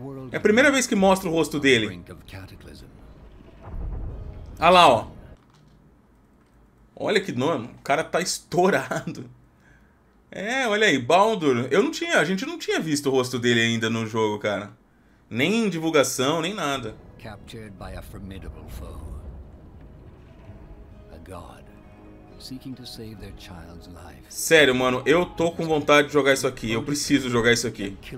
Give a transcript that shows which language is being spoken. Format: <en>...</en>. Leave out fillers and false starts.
<pt>É a primeira vez que mostra o rosto dele. Olha lá, ó. Olha que nome. O cara tá estourado. Olha aí, Baldur. A gente não tinha visto o rosto dele ainda no jogo, cara. Nem em divulgação, nem nada.</pt> <en>Captured by a formidable foe. A god seeking to save their child's life.</en> <pt>Sério, mano, eu tô com vontade de jogar isso aqui. Eu preciso jogar isso aqui.</pt>